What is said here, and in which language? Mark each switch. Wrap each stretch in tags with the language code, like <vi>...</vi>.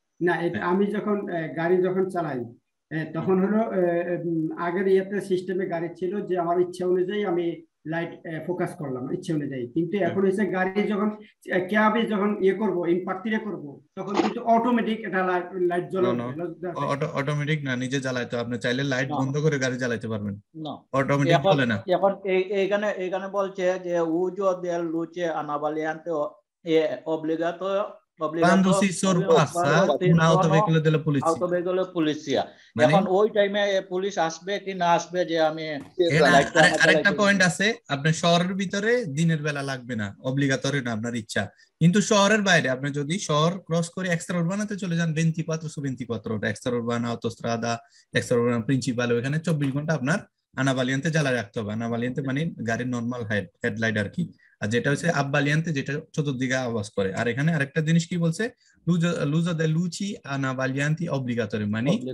<bn>না এটা আমি যখন গাড়ি যখন চালাই তখন হলো আগের ইয়েতে সিস্টেমে গাড়ি ছিল যে আমার ইচ্ছা অনুযায়ী আমি লাইট ফোকাস করলাম ইচ্ছা অনুযায়ী কিন্তু এখন এসে গাড়ি যখন ক্যাবে যখন ইয়ে করবো ইম্পার্টিরে করবো তখন কিন্তু অটোমেটিক এটা লাইট জ্বলানো অটোমেটিক না নিজে জ্বালায় তো আপনি চাইলে লাইট বন্ধ করে গাড়ি চালাইতে পারবেন না অটোমেটিক বলে না এখন এইখানে এইখানে বলছে যে</bn> <it>উজো দেল লুচে আনাবালিয়ান্তে এ অব্লিগাতো quando si sorpassa un autoveicolo della polizia autoveicolo polizia</it> <bn>এখন ওই টাইমে পুলিশ আসবে কি না আসবে যে আমি আরেকটা পয়েন্ট আছে আপনি শহরের ভিতরে দিনের বেলা লাগবে না অবলিগাতরি না আপনার ইচ্ছা কিন্তু শহরের বাইরে আপনি যদি শহর ক্রস করে এক্সট্রা উরবানাতে চলে যান 24 সু 24 ওটা এক্সট্রা উরবানা অটোস্ট্রাদা এক্সট্রা উরবানা প্রিন্সিপাল ওখানে 24 ঘন্টা আপনার আনাবালিয়ান্তে জ্বালা রাখতে হবে আনাবালিয়ান্তে মানে গাড়ির নর্মাল হেডলাইট আর কি আর যেটা হচ্ছে আব্বালিয়ান্তে যেটা চতুর্দিকে আওয়াজ করে আর এখানে আরেকটা জিনিস কি বলছে</bn> <it>লুজ দ্য লুচি আনাবালিয়ান্তি অব্লিগাতরি</it> <bn>মানে</bn>